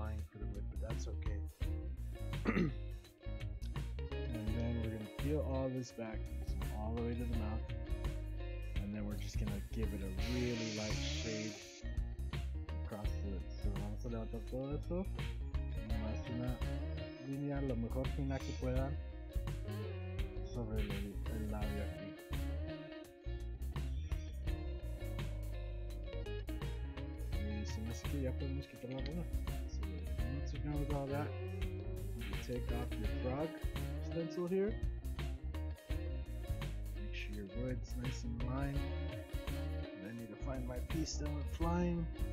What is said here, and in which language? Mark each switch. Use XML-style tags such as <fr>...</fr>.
<en>For the wood, but that's okay. And then we're gonna peel all this back all the way to the mouth, and then we're just gonna give it a really light shade across the lips.</en> <es>So vamos a levantar todo esto, nomás una línea lo mejor fina que puedan sobre el labio aquí. Y se me hace que ya podemos quitar la luna.</es> <en>Once you're done with all that, you take off your frog stencil here. Make sure your wood's nice and line. And I need to find my piece that went flying.</en>